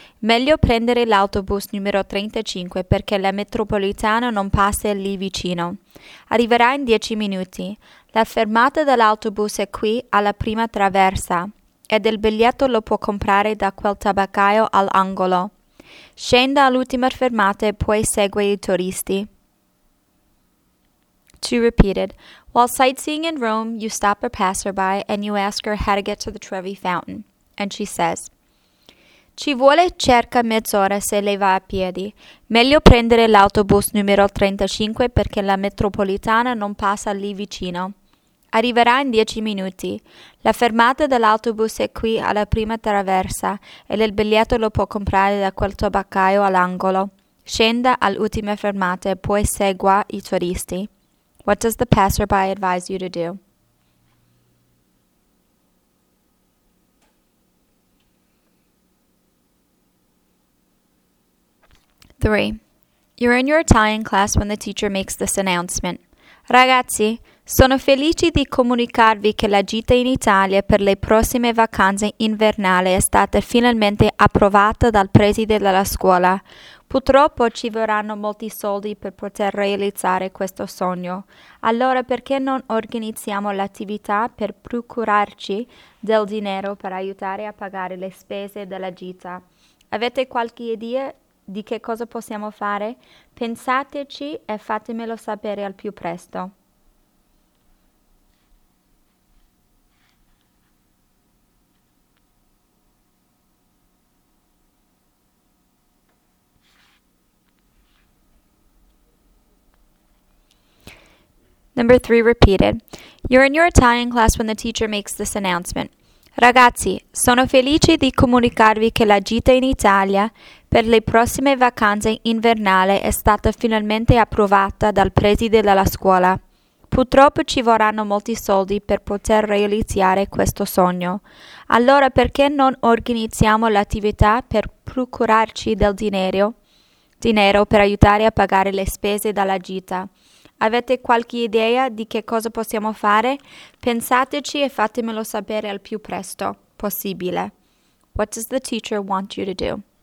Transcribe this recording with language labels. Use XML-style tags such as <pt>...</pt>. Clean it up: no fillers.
<it>Meglio prendere l'autobus numero 35 perché la metropolitana non passa lì vicino. Arriverà in 10 minuti. La fermata dell'autobus è qui alla prima traversa ed il biglietto lo può comprare da quel tabaccaio all'angolo. Scenda all'ultima fermata e poi segue i turisti.</it> <en>She repeated, while sightseeing in Rome, you stop a passerby and you ask her how to get to the Trevi Fountain. And she says,</en> <it>Ci vuole circa mezz'ora se lei va a piedi. Meglio prendere l'autobus numero 35 perché la metropolitana non passa lì vicino. Arriverà in 10 minuti. La fermata dell'autobus è qui alla prima traversa e il biglietto lo può comprare da quel tabaccaio all'angolo. Scenda all'ultima fermata e poi segua i turisti.</it> <en>What does the passerby advise you to do? 3. You're in your Italian class when the teacher makes this announcement.</en> <it>Ragazzi, sono felice di comunicarvi che la gita in Italia per le prossime vacanze invernali è stata finalmente approvata dal preside della scuola. Purtroppo ci vorranno molti soldi per poter realizzare questo sogno. Allora perché non organizziamo l'attività per procurarci del denaro per aiutare a pagare le spese della gita? Avete qualche idea di che cosa possiamo fare? Pensateci e fatemelo sapere al più presto.</it> <en>3. Repeated. You're in your Italian class when the teacher makes this announcement.</en> <it>Ragazzi, sono felice di comunicarvi che la gita in Italia per le prossime vacanze invernali è stata finalmente approvata dal preside della scuola. Purtroppo ci vorranno molti soldi per poter realizzare questo sogno. Allora perché non organizziamo l'attività per procurarci del denaro per aiutare a pagare le spese della gita? Avete qualche idea di che cosa possiamo fare? Pensateci e fatemelo sapere al più presto possibile.</it> <en>What does the teacher want you to do?</en>